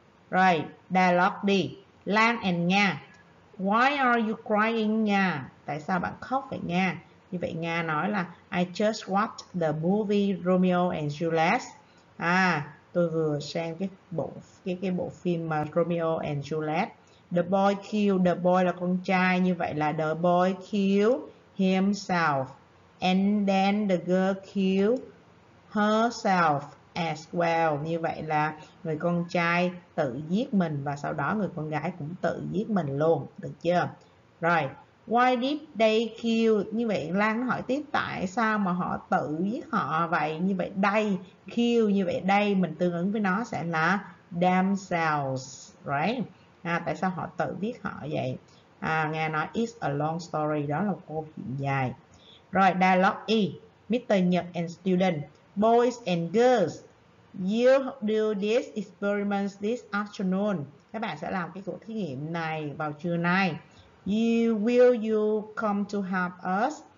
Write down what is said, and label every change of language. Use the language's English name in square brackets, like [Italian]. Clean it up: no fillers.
[English] Rồi dialogue đi, Lan and Nga, why are you crying Nga? [Vietnamese] Tại sao bạn khóc vậy Nga? Như vậy Nga nói là [English] I just watched the movie Romeo and Juliet. [Vietnamese] Tôi vừa xem cái bộ phim mà Romeo and Juliet. [English] The boy killed, the boy [Vietnamese] là con trai, như vậy là [English] the boy killed himself and then the girl killed herself as well. [Vietnamese] Như vậy là người con trai tự giết mình và sau đó người con gái cũng tự giết mình luôn, được chưa? Rồi. [English] Why did they kill? [Vietnamese] Như vậy Lan hỏi tiếp tại sao mà họ tự giết họ vậy? Như vậy they kill, như vậy đây mình tương ứng với nó sẽ là themselves, right? Tại sao họ tự giết họ vậy? Nghe nói [English] it's a long story, [Vietnamese] đó là một câu chuyện dài. Rồi dialogue E, Mr. [English] Nhật and student, boys and girls, you do this experiment this afternoon. [Vietnamese] Các bạn sẽ làm cái cuộc thí nghiệm này vào trưa nay. [English] Will you come to help us?